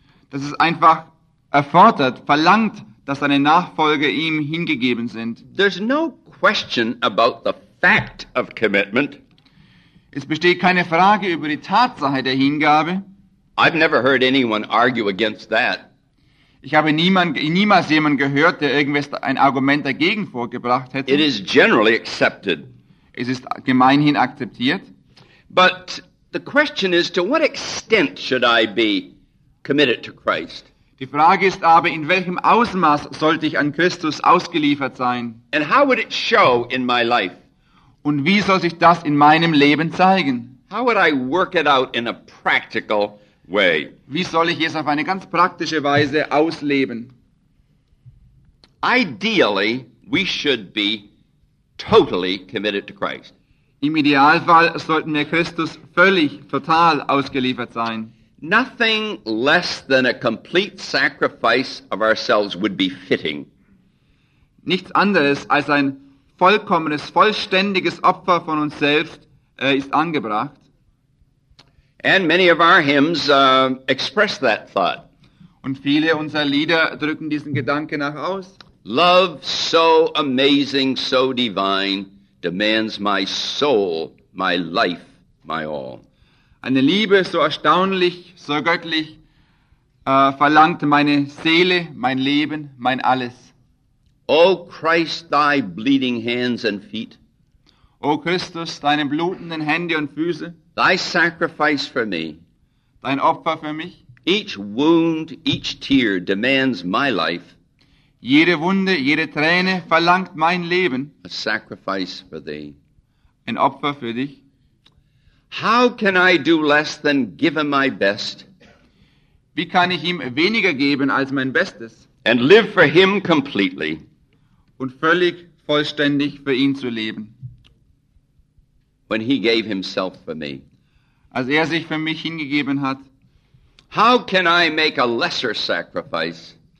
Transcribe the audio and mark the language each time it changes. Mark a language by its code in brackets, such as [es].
[de] Das ist einfach erfordert, verlangt, dass seine Nachfolger ihm hingegeben sind. [en] There's no question about the fact of commitment. [de] Es besteht keine Frage über die Tatsache der Hingabe. [en] I've never heard anyone argue against that. [de] Ich habe niemals jemanden gehört, der irgendwas ein Argument dagegen vorgebracht hätte. [en] It is generally accepted. [de] Es ist gemeinhin akzeptiert. [en] But the question is, to what extent should I be committed to Christ? [de] Die Frage ist aber, in welchem Ausmaß sollte ich an Christus ausgeliefert sein? [en] And how would it show in my life? [de] Und wie soll sich das in meinem Leben zeigen? [en] How would I work it out in a practical way? [de] Wie soll ich es auf eine ganz praktische Weise ausleben? [en] Ideally, we should be totally committed to Christ. [de] Im Idealfall sollten wir Christus völlig, total ausgeliefert sein. [en] Nothing less than a complete sacrifice of ourselves would be fitting. [de] Nichts anderes als ein vollkommenes, vollständiges Opfer von uns selbst ist angebracht. [en] And many of our hymns express that thought. [de] Und viele unserer Lieder drücken diesen Gedanken auch aus. [en] Love so amazing, so divine, demands my soul, my life, my all. [de] Eine Liebe so erstaunlich, so göttlich, verlangt meine Seele, mein Leben, mein Alles. [en] O Christ, thy bleeding hands and feet. [de] O Christus, deine blutenden Hände und Füße. [en] Thy sacrifice for me. [de] Dein Opfer für mich. [en] Each wound, each tear demands my life. [de] Jede Wunde, jede Träne verlangt mein Leben. [en] A sacrifice for thee. [de] Ein Opfer für dich. [en] How can I do less than give him my best? [de] Wie kann ich ihm weniger geben als mein Bestes? [en] And live for him completely. [de] Und völlig vollständig für ihn zu leben. [en] When he gave himself for me. [de] Als er sich für mich hingegeben hat. [en] How can I make a lesser sacrifice?